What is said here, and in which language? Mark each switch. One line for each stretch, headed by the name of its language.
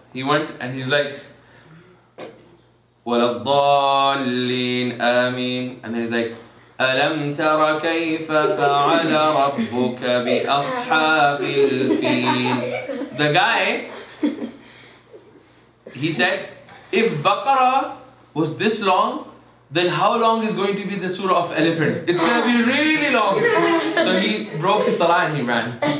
English: He went and he's like,
Arabic: وَلَضَّالِّينَ آمِينَ.
English: And then he's like,
Arabic: أَلَمْ تَرَ كَيْفَ فَعَلَ رَبُّكَ بِأَصْحَابِ الْفِينَ.
English: The guy, he said, if Baqarah was this long, then how long is going to be the surah of elephant? It's going to be really long. So he broke his salah and he ran.